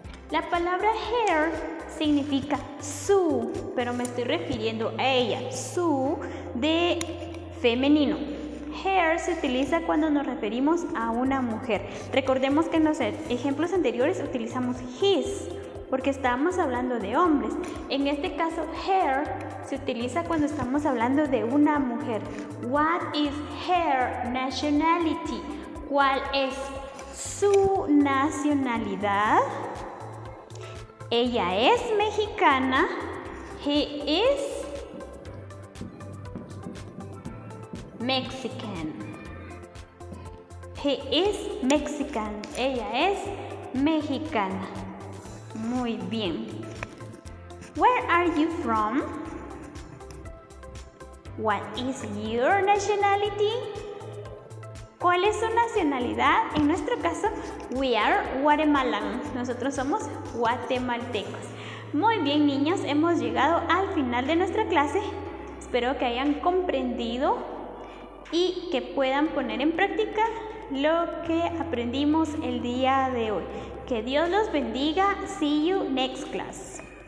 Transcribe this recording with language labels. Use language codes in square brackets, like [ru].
[es] La palabra her significa su, pero me estoy refiriendo a ella, su de femenino. Her se utiliza cuando nos referimos a una mujer. Recordemos que en los ejemplos anteriores utilizamos his, porque estábamos hablando de hombres. En este caso, her se utiliza cuando estamos hablando de una mujer. [en] What is her nationality? [es] ¿Cuál es su nacionalidad? Ella es mexicana. [en] He is Mexican. He is Mexican. [es] Ella es mexicana. Muy bien. [en] Where are you from? What is your nationality? [es] ¿Cuál es su nacionalidad? En nuestro caso, [en] we are Guatemalan. [es] Nosotros somos guatemaltecos. Muy bien, niños, hemos llegado al final de nuestra clase. Espero que hayan comprendido y que puedan poner en práctica lo que aprendimos el día de hoy. Que Dios los bendiga. [en] See you next class.